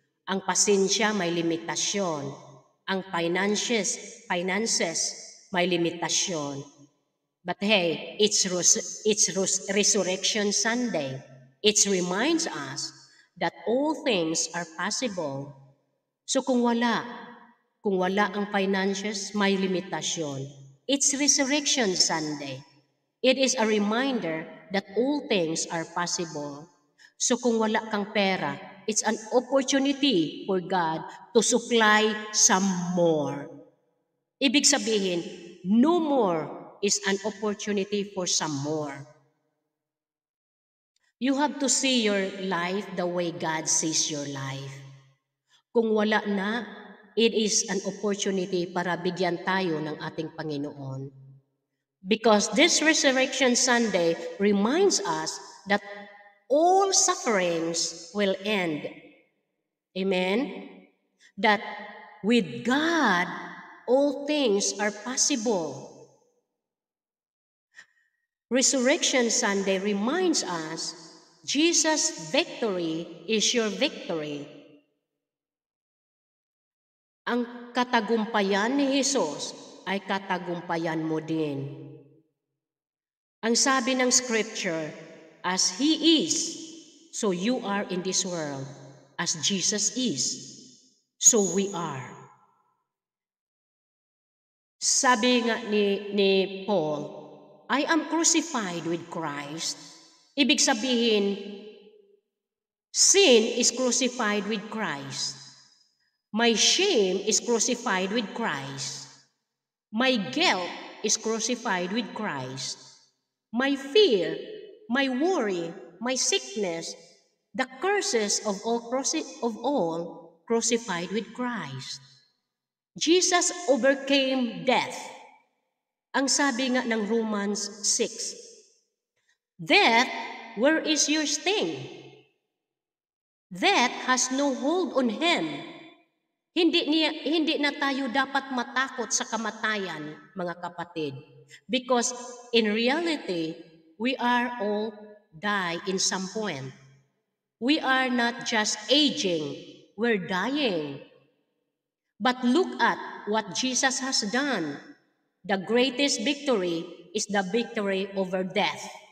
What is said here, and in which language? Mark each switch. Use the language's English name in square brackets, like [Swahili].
[Filipino] Ang pasensya may limitasyon. Ang finances may limitasyon. [English] But hey, it's Resurrection Sunday. It reminds us that all things are possible. [Filipino] So kung wala ang finances, may limitasyon. [English] It's Resurrection Sunday. It is a reminder that all things are possible. So [Filipino] kung wala kang pera, [English] it's an opportunity for God to supply some more. [Filipino] Ibig sabihin, [English] no more is an opportunity for some more. You have to see your life the way God sees your life. [Filipino] Kung wala na, [English] it is an opportunity [Filipino] para bigyan tayo ng ating Panginoon. [English] Because this Resurrection Sunday reminds us that all sufferings will end. Amen? That with God, all things are possible. Resurrection Sunday reminds us Jesus' victory is your victory. [Filipino] Ang katagumpayan ni Jesus ay katagumpayan mo din. Ang sabi ng [English] scripture, as He is, so you are in this world. As Jesus is, so we are. [Filipino] Sabi nga ni [English] Paul, I am crucified with Christ. [Filipino] Ibig sabihin, [English] sin is crucified with Christ. My shame is crucified with Christ. My guilt is crucified with Christ. My fear, my worry, my sickness, the curses of all crucified with Christ. Jesus overcame death. [Filipino] Ang sabi nga ng [English] Romans 6, death, where is your sting? Death has no hold on Him. [Filipino] Hindi na tayo dapat matakot sa kamatayan, mga kapatid. [English] Because in reality, we are all die in some point. We are not just aging, we're dying. But look at what Jesus has done. The greatest victory is the victory over death.